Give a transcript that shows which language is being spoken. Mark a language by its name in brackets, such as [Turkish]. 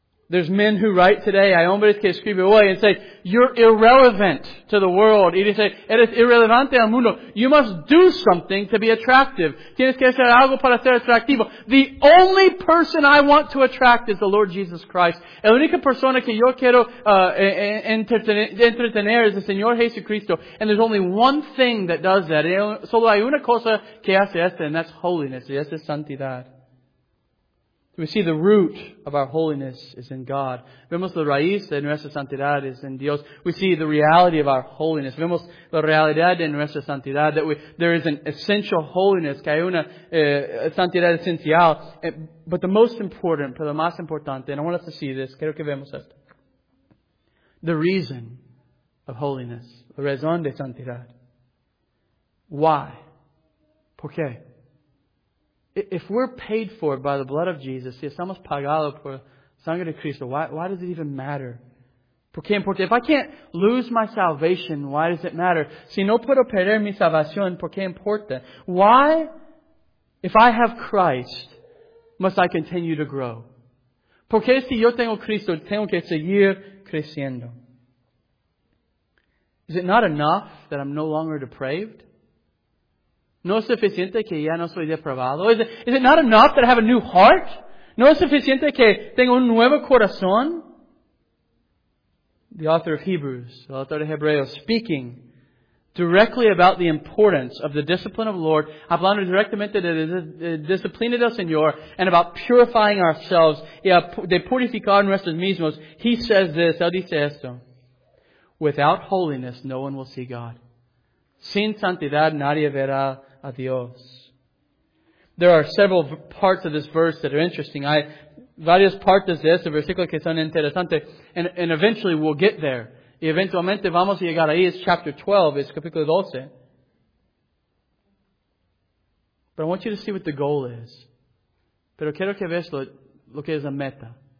[English] There's men who write today, [Spanish] hay hombres que escriben hoy, [English] and say, you're irrelevant to the world. [Spanish] Y dice, eres irrelevante al mundo. [English] You must do something to be attractive. [Spanish] Tienes que hacer algo para ser atractivo. [English] The only person I want to attract is the Lord Jesus Christ. [Spanish] La única persona que yo quiero entretener es el Señor Jesucristo. [English] And there's only one thing that does that. [Spanish] Solo hay una cosa que hace esto, [English] and that's holiness. [Spanish] Y esa es santidad. [English] We see the root of our holiness is in God. [Spanish] Vemos la raíz de nuestra santidad es en Dios. [English] We see the reality of our holiness. [Spanish] Vemos la realidad de nuestra santidad. [English] That there is an essential holiness. [Spanish] Que hay una santidad esencial. [English] But the most important, [Spanish] pero más importante, [English] and I want us to see this. [Spanish] Quiero que veamos esto. [English] The reason of holiness. [Spanish] La razón de santidad. [English] Why? [Spanish] ¿Por qué? [English] If we're paid for by the blood of Jesus, [Spanish] si estamos pagados por sangre de Cristo, [English] why does it even matter? Porque if I can't lose my salvation, why does it matter? [Spanish] Si no puedo perder mi salvación, ¿por qué importa? [English] Why, if I have Christ, must I continue to grow? [Spanish] Porque si yo tengo Cristo, tengo que seguir creciendo. [English] Is it not enough that I'm no longer depraved? [Spanish] ¿No es suficiente que ya no soy depravado? [English] Is it not enough that I have a new heart? [Spanish] ¿No es suficiente que tengo un nuevo corazón? [English] The author of Hebrews, [Spanish] el autor de Hebreos, [English] speaking directly about the importance of the discipline of the Lord, [Spanish] hablando directamente de la disciplina del Señor, [English] and about purifying ourselves, [Spanish] de purificar nuestros mismos, [English] he says this, [Spanish] él dice esto, [English] without holiness, no one will see God. [Spanish] Sin santidad, nadie verá a Dios. [English] There are several parts of this verse that are interesting. [Spanish] Hay varias partes de este versículo que son interesantes. [English] And eventually we'll get there. [Spanish] Y eventualmente vamos a llegar ahí. [English] It's chapter 12. It's capítulo 12. But I want you to see what the goal is. [Spanish] Pero quiero que veas lo que es la meta.